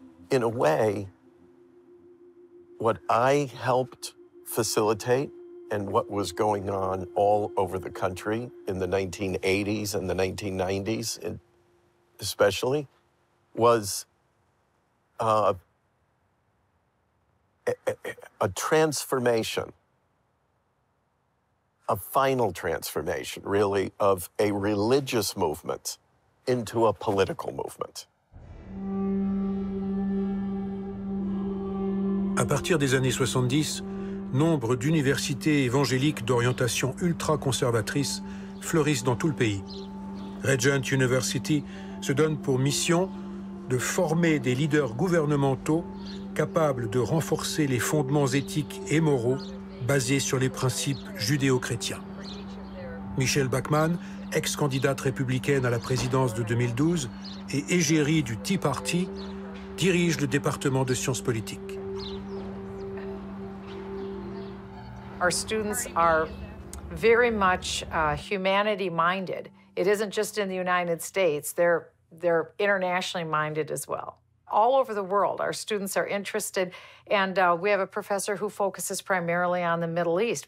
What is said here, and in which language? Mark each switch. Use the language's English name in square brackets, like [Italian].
[English] In a way, what I helped facilitate and what was going on all over the country in the 1980s and the 1990s, especially, was a transformation, a final transformation, really, of a religious movement into a political movement. [French] À partir des années 70, nombre d'universités évangéliques d'orientation ultra-conservatrice fleurissent dans tout le pays. Regent University se donne pour mission de former des leaders gouvernementaux capable de renforcer les fondements éthiques et moraux basés sur les principes judéo-chrétiens. Michelle Bachmann, ex-candidate républicaine à la présidence de 2012 et égérie du Tea Party, dirige le département de sciences politiques. [English] Our students are very much humanity minded. It isn't just in the United States, they're internationally minded as well. all over the world. Our students are interested, and we have a professor who focuses primarily on the Middle East.